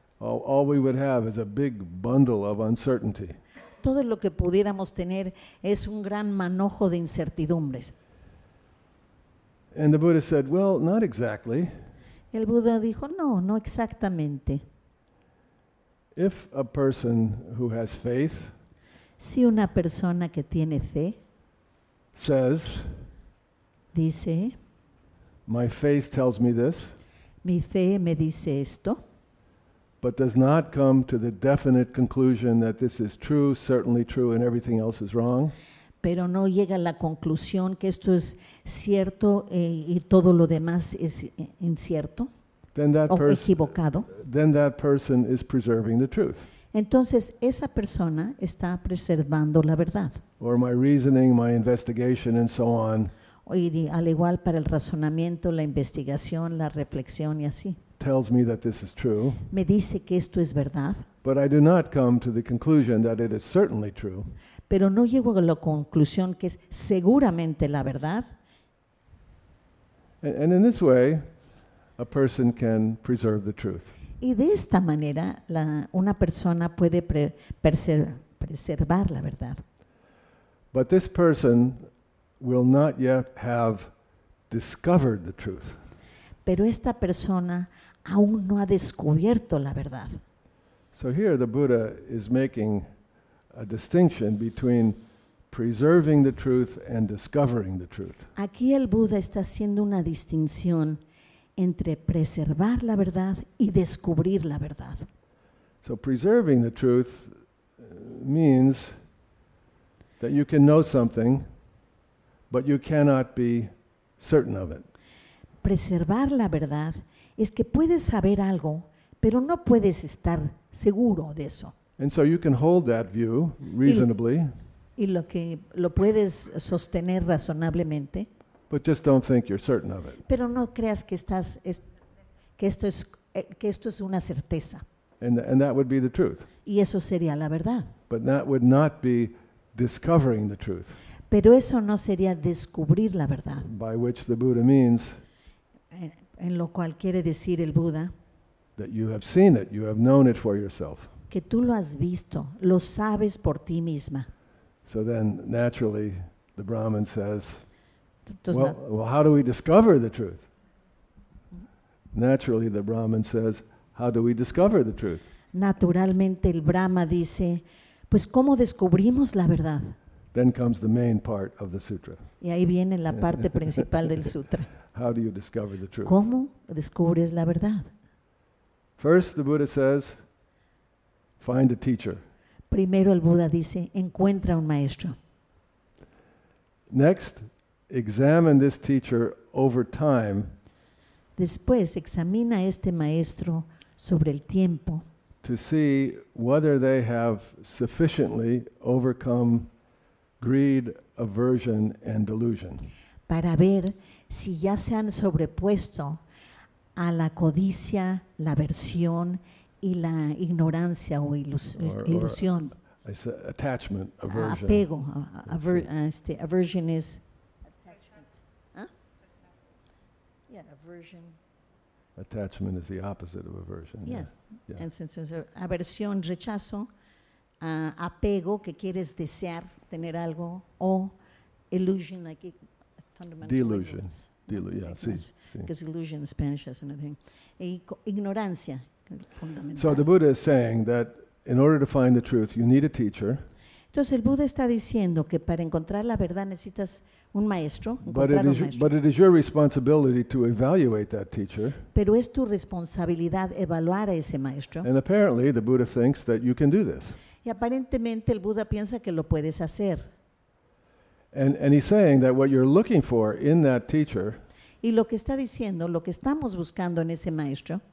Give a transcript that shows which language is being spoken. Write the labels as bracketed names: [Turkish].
[English] All we would have is a big bundle of uncertainty. [Spanish] Todo lo que pudiéramos tener es un gran manojo de incertidumbres. [English] And the Buddha said, well, not exactly. [Spanish] El Buda dijo, no, no exactamente. [English] If a person who has faith, [Spanish] si una persona que tiene fe, [English] says, [Spanish] dice, [English] my faith tells me this, [Spanish] mi fe me dice esto, [English] but does not come to the definite conclusion that this is true, certainly true, and everything else is wrong, [Spanish] pero no llega a la conclusión que esto es cierto y todo lo demás es incierto, [English] then that [Spanish] o equivocado, [English] then that person is preserving the truth. [Spanish] Entonces esa persona está preservando la verdad. [English] Or my reasoning, my investigation, and so on. [Spanish] Y al igual para el razonamiento, la investigación, la reflexión y así. [English] Tells me that this is true. [Spanish] Me dice que esto es verdad. [English] But I do not come to the conclusion that it is certainly true. [Spanish] Pero no llego a la conclusión que es seguramente la verdad. [English] And in this way, a person can preserve the truth. [Spanish] Y de esta manera, una persona puede preservar la verdad. [English] But this person will not yet have discovered the truth. [Spanish] Pero esta persona aún no ha descubierto la verdad. [English] So here the Buddha is making a distinction between preserving the truth and discovering the truth. [Spanish] Aquí el Buda está haciendo una distinción entre preservar la verdad y descubrir la verdad. [English] So preserving the truth means that you can know something, but you cannot be certain of it. [Spanish] Preservar la verdad es que puedes saber algo, pero no puedes estar seguro de eso. [English] And so you can hold that view reasonably. [Spanish] Y lo puedes sostener razonablemente. [English] But just don't think you're certain of it. [Spanish] Pero no creas que esto es una certeza. [English] And that would be the truth. [Spanish] Y eso sería la verdad. [English] But that would not be discovering the truth. [Spanish] Pero eso no sería descubrir la verdad. [English] By which the Buddha means. [Spanish] En lo cual quiere decir el Buda. [English] That you have seen it, you have known it for yourself. [Spanish] Que tú lo has visto, lo sabes por ti misma. [English] So then, naturally, the Brahmin says, well, how do we discover the truth? Naturally, the Brahmin says, how do we discover the truth? [Spanish] Naturalmente, el Brahma dice, pues, ¿cómo descubrimos la verdad? [English] Then comes the main part of the sutra. [Spanish] Y ahí viene la parte principal del sutra. [English] How do you discover the truth? [Spanish] ¿Cómo descubres la verdad? [English] First, the Buddha says, find a teacher. [Spanish] Primero el Buda dice, encuentra un maestro. [English] Next, examine this teacher over time. [Spanish] Después, examina este maestro sobre el tiempo. [English] To see whether they have sufficiently overcome greed, aversion, and delusion. [Spanish] Para ver si ya se han sobrepuesto a la codicia, la aversión y la ignorancia o ilusión. [English] Attachment, aversion. Apego. Aversion is... Aversion. Attachment is the opposite of aversion. Yeah. [Spanish] Aversión, rechazo. Apego, que quieres desear tener algo. [English] O illusion, like... Delusion, because illusion in Spanish has anything. [Spanish] Ignorancia, fundamental. [English] So the Buddha is saying that in order to find the truth, you need a teacher. [Spanish] Entonces el Buda está diciendo que para encontrar la verdad necesitas un maestro. [English] But it is your responsibility to evaluate that teacher. [Spanish] Pero es tu responsabilidad evaluar a ese maestro. [English] And apparently the Buddha thinks that you can do this. [Spanish] Y aparentemente el Buda piensa que lo puedes hacer. [English] And he's saying that what you're looking for in that teacher, [Spanish] y lo que está diciendo, lo que estamos buscando en ese maestro,